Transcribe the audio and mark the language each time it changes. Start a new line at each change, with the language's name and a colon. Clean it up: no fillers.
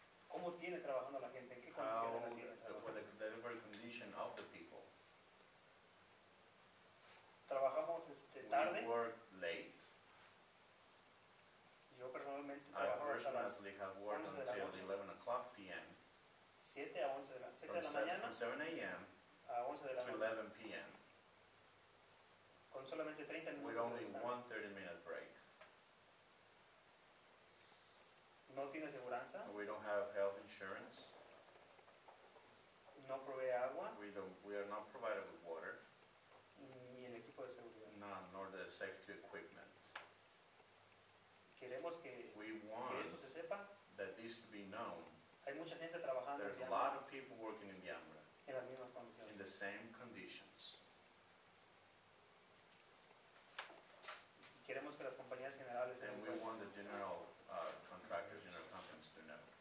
Spanish: cómo tiene trabajando la gente, en qué condiciones la tiene trabajando.
English: The delivery condition of the people.
Spanish: Trabajamos tarde.
English: We work late.
Spanish: Yo personalmente
English: I personally have worked until 11 o'clock p.m.
Spanish: 7 a 11 de la, 7 de la mañana.
English: From 7 a.m. to 11 p.m.
Spanish: Con solamente 30 minutos.
English: With only one 30-minute break.
Spanish: No tiene aseguranza.
English: We don't have health insurance.
Spanish: No provee agua.
English: We are not provided with water.
Spanish: Ni el equipo de seguridad.
English: No, nor the safety equipment.
Spanish: Queremos que esto se sepa.
English: That this be known.
Spanish: Hay mucha gente trabajando.
English: There's a lot of people working in Diambra.
Spanish: En las mismas condiciones.
English: In the same conditions.
Spanish: Queremos que las compañías generales
English: and we want the general contractors, general companies to know.